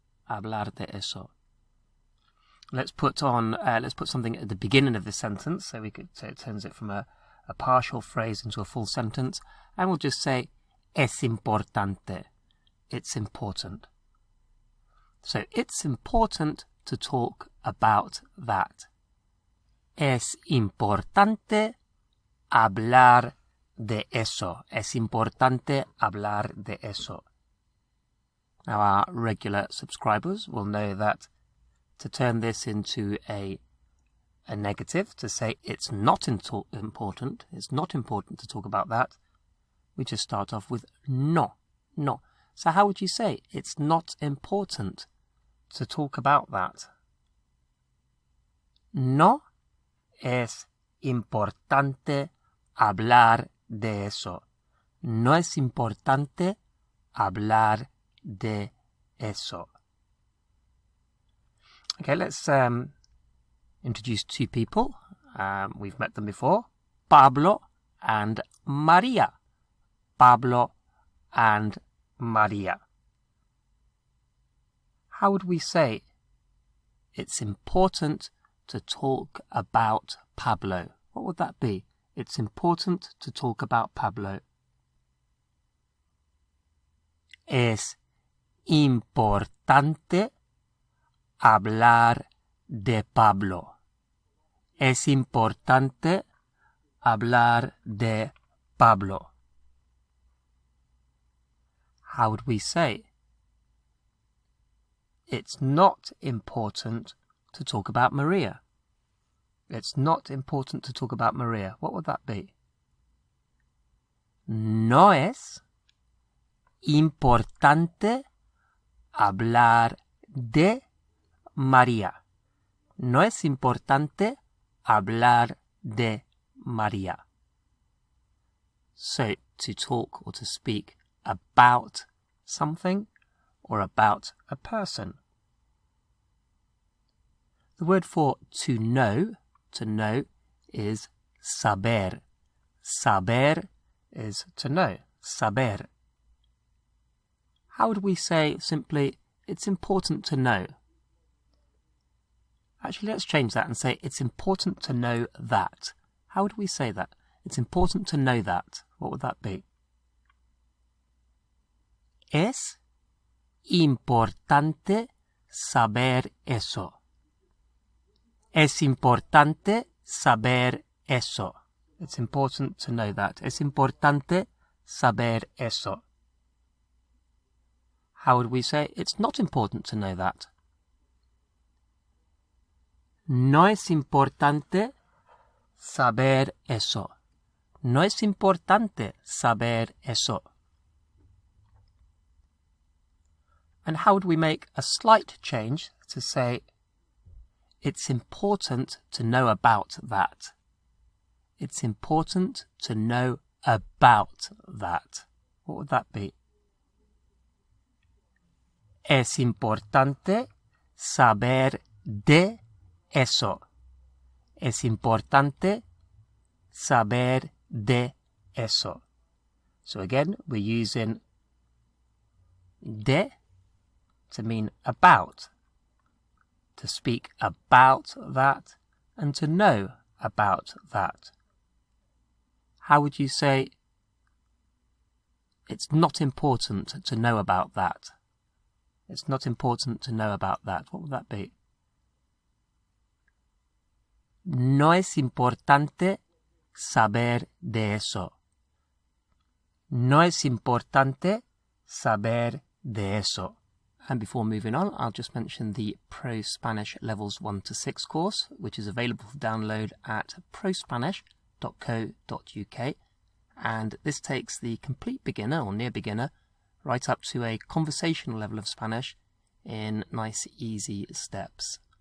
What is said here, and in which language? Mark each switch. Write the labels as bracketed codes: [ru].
[es] Hablar de eso. [en] Let's put something at the beginning of the sentence so it turns it from a partial phrase into a full sentence, and we'll just say [es] es importante. [en] It's important. So it's important to talk about that. [es] Es importante hablar de eso. Es importante hablar de eso. [en] Now, our regular subscribers will know that to turn this into a negative, to say it's not important, it's not important to talk about that, we just start off with no, no. So how would you say it's not important to talk about that? [es] No es importante hablar de eso. No es importante hablar de eso. [en] Okay, let's introduce two people. We've met them before. Pablo and Maria. Pablo and Maria. How would we say it's important to talk about Pablo? What would that be? It's important to talk about Pablo. Es importante hablar de Pablo. Es importante hablar de Pablo. How would we say it's not important to talk about Maria? It's not important to talk about Maria. What would that be? [es] No es importante hablar de María. No es importante hablar de María. [en] So, to talk or to speak about something or about a person. The word for to know, is saber. Saber is to know. Saber. How would we say simply, it's important to know? Actually, let's change that and say, it's important to know that. How would we say that? It's important to know that. What would that be? [es] Es importante saber eso. Es importante saber eso. [en] It's important to know that. [es] Es importante saber eso. [en] How would we say it's not important to know that? [es] No es importante saber eso. No es importante saber eso. [en] And how would we make a slight change to say it's important to know about that? It's important to know about that. What would that be? [es] Es importante saber de eso. Es importante saber de eso. [en] So again, we're using de to mean about, to speak about that, and to know about that. How would you say it's not important to know about that? It's not important to know about that. What would that be? [es] No es importante saber de eso. No es importante saber de eso. [en] And before moving on, I'll just mention the Pro Spanish Levels 1 to 6 course, which is available for download at prospanish.co.uk. And this takes the complete beginner or near beginner right up to a conversational level of Spanish in nice, easy steps.